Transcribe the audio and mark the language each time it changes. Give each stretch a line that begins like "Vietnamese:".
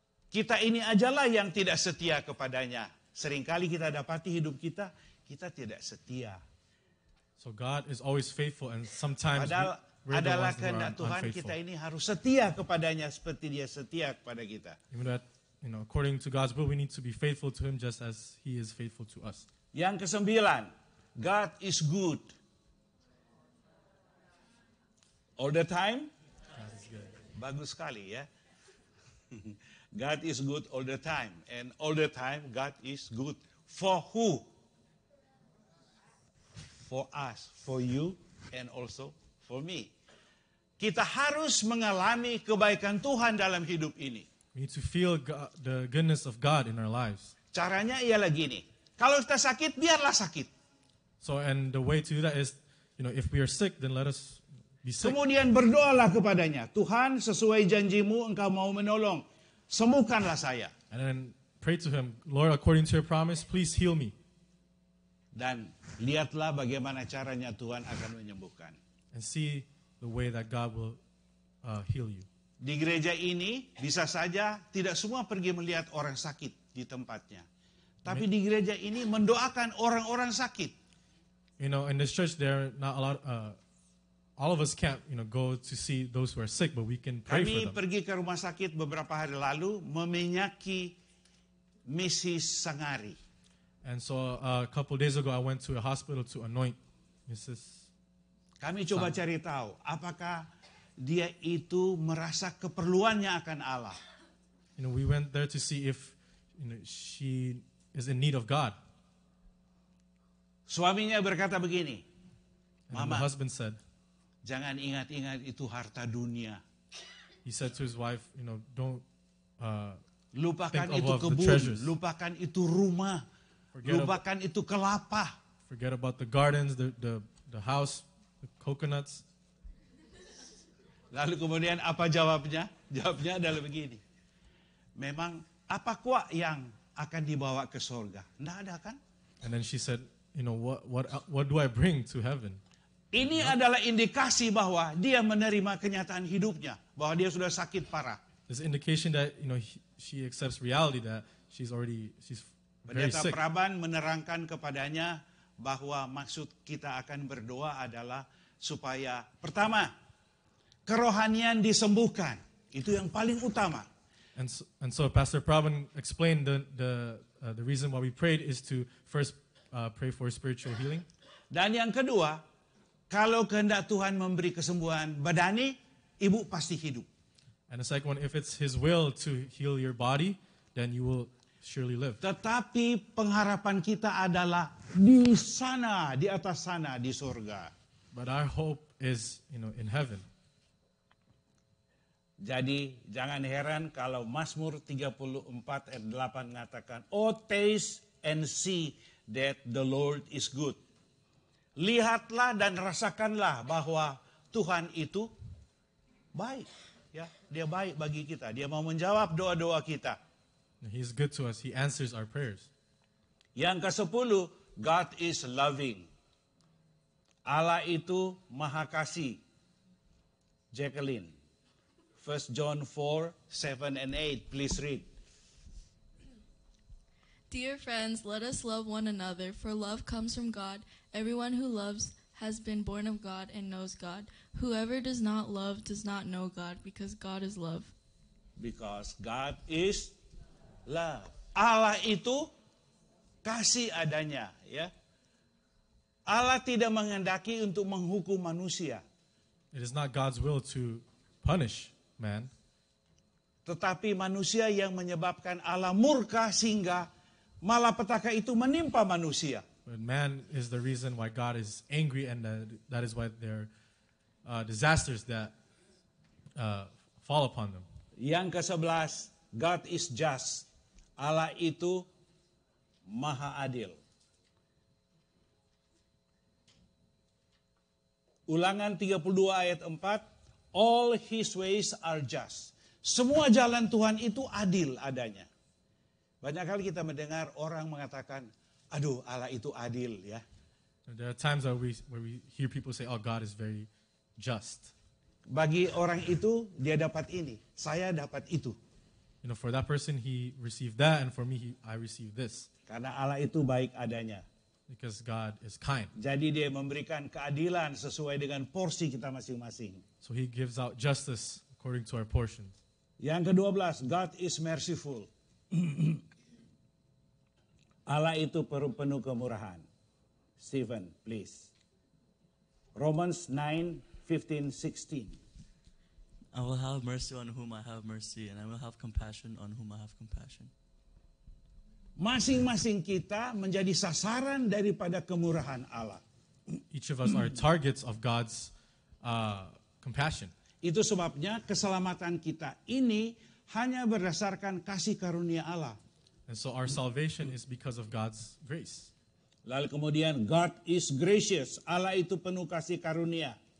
Indonesian: Kita ini ajalah yang tidak setia kepadanya. Seringkali kita dapati hidup kita, kita tidak setia.
English: So God is always faithful and sometimes
Indonesian: adalah kehendak Tuhan kita ini harus setia kepadanya seperti dia setia kepada kita.
English: Even that, you know, according to God's will, we need to be faithful to him just as he is faithful to us.
Indonesian: Yang 9,
English: God is good. All the time? God is good.
Indonesian: Bagus sekali, ya.
English: God is good all the time. And all the time, God is good. For who? For us, for you, and also for me.
Indonesian: Kita harus mengalami kebaikan Tuhan dalam hidup ini.
English: We need to feel the goodness of God in our lives.
Indonesian: Caranya ialah gini. Kalau kita sakit, biarlah sakit.
English: So, and the way to do that is, you know, if we are sick, then let us be sick.
Indonesian: Kemudian berdoalah kepadanya. Tuhan, sesuai janjimu, engkau mau menolong. Sembuhkanlah saya.
English: And then pray to him, Lord, according to your promise, please heal me.
Indonesian: Dan lihatlah bagaimana caranya Tuhan akan menyembuhkan.
English: And see the way that God will heal you.
Indonesian: Di gereja ini, bisa saja tidak semua pergi melihat orang sakit di tempatnya. Tapi di gereja ini mendoakan orang-orang sakit.
English: You know, in this church there, not a lot, all of us can't, you know, go to see those who are sick, but we can pray
Indonesian: Kami
English: for them.
Indonesian: Kami pergi ke rumah sakit beberapa hari lalu, meminyaki Mrs. Sangari.
English: And so a couple days ago, I went to a hospital to anoint Mrs.
Indonesian: Kami coba cari tahu, apakah dia itu merasa keperluannya akan Allah.
English: You know, we went there to see if, you know, she is in need of God.
Indonesian: Suaminya berkata begini, Mama,
English: the husband said,
Indonesian: jangan ingat-ingat itu harta dunia.
English: He said to his wife, you know, don't
Indonesian: lupakan itu kebun, lupakan itu rumah, lupakan itu kelapa.
English: Forget about the gardens, the house, the coconuts.
Indonesian: Lalu kemudian apa jawabnya? Jawabnya adalah begini. Memang apa kuah yang akan dibawa ke surga? Tidak ada kan?
English: And then she said, you know, what do I bring to heaven?
Indonesian: Ini adalah indikasi bahwa dia menerima kenyataan hidupnya, bahwa dia sudah sakit parah.
English: This indication that, you know, she accepts reality that she's very sick.
Indonesian: Pendeta Praban menerangkan kepadanya bahwa maksud kita akan berdoa adalah supaya pertama kerohanian disembuhkan. Itu yang paling utama.
English: And so Pastor Pravin explained the reason why we prayed is to first pray for spiritual healing.
Indonesian: Dan yang kedua, kalau kehendak Tuhan memberi kesembuhan badani, ibu pasti hidup.
English: And the second one, if it's his will to heal your body, then you will surely live.
Indonesian: Tetapi pengharapan kita adalah di sana, di atas sana, di surga.
English: But our hope is, in heaven.
Indonesian: Jadi jangan heran kalau Mazmur 34 ayat 8 mengatakan,
English: "Oh, taste and see that the Lord is good."
Indonesian: Lihatlah dan rasakanlah bahwa Tuhan itu baik. Ya, dia baik bagi kita. Dia mau menjawab doa-doa kita.
English: He's good to us. He answers our prayers.
Indonesian: Yang ke-10,
English: God is loving.
Indonesian: Allah itu maha kasih.
English: Jacqueline, 1 John 4, 7 and 8, please read. Dear friends, let us love one another, for love comes from God. Everyone who loves has been born of God and knows God. Whoever does not love does not know God, because God is love. Because God is love.
Indonesian: Allah itu kasih adanya, ya. Allah tidak mengendaki untuk menghukum manusia.
English: It is not God's will to punish man.
Indonesian: Tetapi manusia yang menyebabkan Allah murka sehingga malapetaka itu menimpa manusia.
English: But man is the reason why God is angry, and that is why there are disasters that fall upon them.
Indonesian: Yang ke-11,
English: God is just.
Indonesian: Allah itu maha adil. Ulangan 32 ayat 4,
English: all his ways are just.
Indonesian: Semua jalan Tuhan itu adil adanya. Banyak kali kita mendengar orang mengatakan, aduh, Allah itu adil, ya.
English: There are times where we hear people say, oh, God is very just.
Indonesian: Bagi orang itu, dia dapat ini, saya dapat itu.
English: For that person, he received that, and for me, I received this.
Indonesian: Karena Allah itu baik adanya.
English: Because God is kind.
Indonesian: Jadi dia memberikan keadilan sesuai dengan porsi kita masing-masing.
English: So he gives out justice according to our portions.
Indonesian: Yang ke-12,
English: God is merciful.
Indonesian: Allah itu penuh kemurahan.
English: Stephen, please. Romans 9:15-16. I will have mercy on whom I have mercy, and I will have compassion on whom I have compassion.
Indonesian: Masing-masing kita menjadi sasaran daripada kemurahan Allah.
English: Each of us are targets of God's compassion.
Indonesian: Itu sebabnya keselamatan kita ini hanya berdasarkan kasih karunia Allah.
English: And so our salvation is because of God's grace.
Indonesian: Lalu kemudian,
English: God is gracious.
Indonesian: Allah itu penuh kasih karunia.